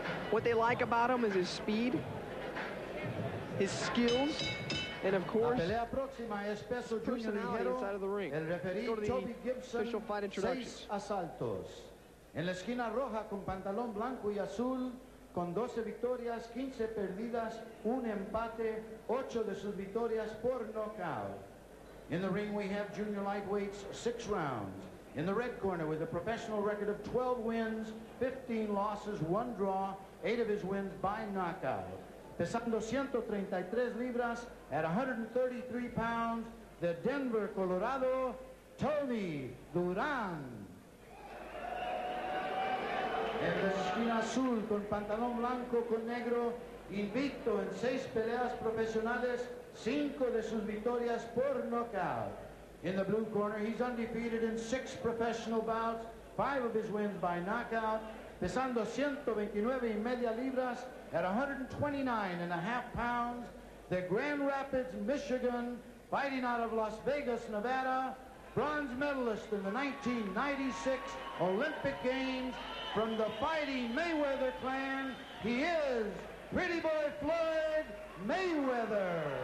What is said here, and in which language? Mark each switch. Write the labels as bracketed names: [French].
[English] What they like about him is his speed, his skills, and of course, personality inside of the ring. Let's go to the official fight introductions. Assaltos. [Spanish] En la esquina roja, con pantalón blanco y azul, con 12 victorias, 15 perdidas, un empate, 8 de sus victorias por knockout. [English] In the ring, we have junior lightweights, 6 rounds. In the red corner, with a professional record of 12 wins, 15 losses, 1 draw, 8 of his wins by knockout. [Spanish] Pesando 133 libras, [English] at 133 pounds, the Denver, Colorado, Tony Duran. [Spanish] En la esquina azul, con pantalón blanco, con negro, invicto en 6 peleas profesionales, 5 de sus victorias por knockout. [English] In the blue corner, he's undefeated in 6 professional bouts, 5 of his wins by knockout, [Spanish] pesando 129 y media libras, [English] at 129 and a half pounds, the Grand Rapids, Michigan, fighting out of Las Vegas, Nevada, bronze medalist in the 1996 Olympic Games, from the Fighting Mayweather clan, he is Pretty Boy Floyd Mayweather.